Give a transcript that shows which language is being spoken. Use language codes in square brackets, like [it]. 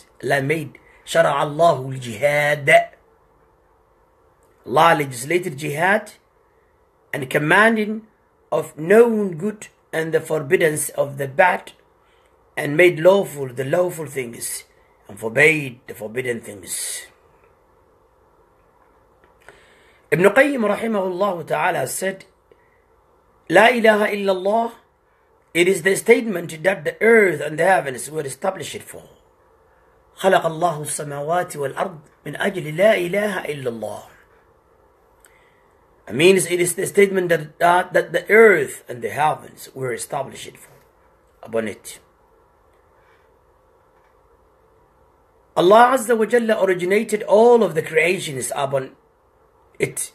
[en] Allah made Shara Allahu al-jihad. Allah legislated jihad and commanding of known good and the forbiddance of the bad, and made lawful the lawful things and forbade the forbidden things. Ibn Qayyim rahimahullah ta'ala said, La ilaha illallah, it is the statement that the earth and the heavens were established for. [ar] خلق الله السماوات والأرض من أجل لا إله إلا الله. [en] It means it is the statement that the earth and the heavens were established for. Upon it, Allah Azza wa Jalla originated all of the creations upon it.